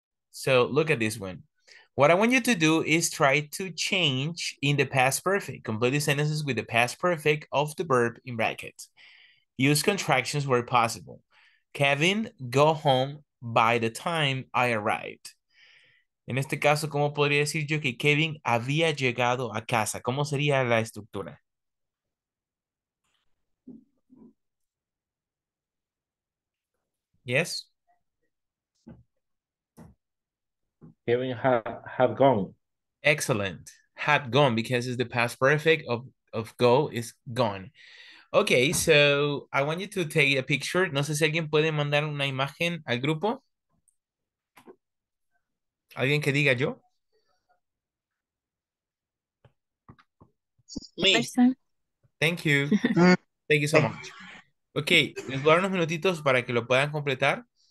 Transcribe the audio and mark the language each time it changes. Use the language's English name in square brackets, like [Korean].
[English] So look at this one. What I want you to do is try to change in the past perfect. Complete the sentences with the past perfect of the verb in brackets. Use contractions where possible. Kevin, go home by the time I arrived. [Spanish] En este caso, ¿cómo podría decir yo que Kevin había llegado a casa? ¿Cómo sería la estructura? [English] Yes. Kevin had gone. Excellent. Had gone, because it's the past perfect of go is gone. Okay, so I want you to take a picture. [Spanish] No sé si alguien puede mandar una imagen al grupo. ¿Alguien que diga yo? [English] Me. Thank you. Thank you so much. [Spanish] Okay, les voy a dar unos minutitos para que lo puedan completar.